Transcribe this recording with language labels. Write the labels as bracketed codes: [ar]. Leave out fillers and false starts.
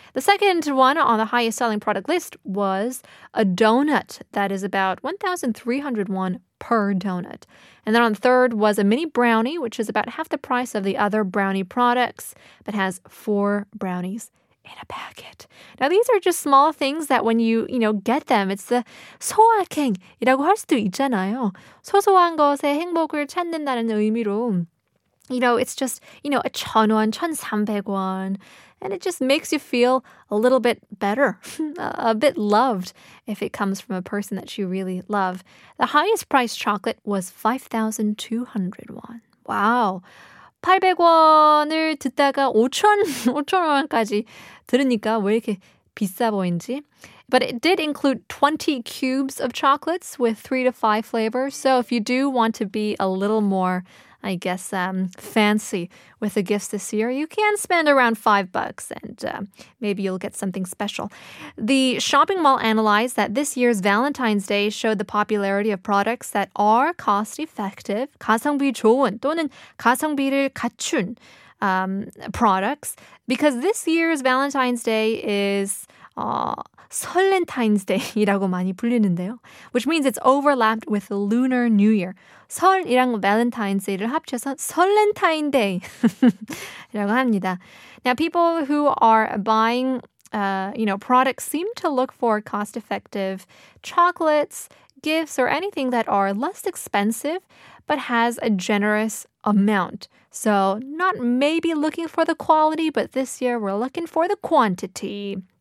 [en] The second one on the highest selling product list was a donut that is about 1,300 won per donut. And then on third was a mini brownie, which is about half the price of the other brownie products, but has four brownies in a packet. Now, these are just small things that when you know, get them, it's the 소확행이라고 할 수도 있잖아요. [ko] 소소한 것에 행복을 찾는다는 의미로. [en] You know, it's just, you know, a 1,000원, 1,300원. And it just makes you feel a little bit better, a bit loved, if it comes from a person that you really love. The highest priced chocolate was 5,200 won. Wow. [ko] 800원을 듣다가 5,000원까지 들으니까 왜 이렇게 비싸 보이는지. [en] But it did include 20 cubes of chocolates with 3 to 5 flavors. So if you do want to be a little more, I guess, fancy with the gifts this year, you can spend around $5 and maybe you'll get something special. The shopping mall analyzed that this year's Valentine's Day showed the popularity of products that are cost-effective, 가성비 좋은 또는 가성비를 갖춘 products, because this year's Valentine's Day is 설렌타인스 데이라고 많이 불리는데요. Which means it's overlapped with the Lunar New Year. [ko] 설이랑 Valentine's Day를 합쳐서 설렌타인 데이라고 합니다. [en] Now, people who are buying, products seem to look for cost-effective chocolates, gifts, or anything that are less expensive but has a generous amount. So, not maybe looking for the quality, but this year we're looking for the quantity.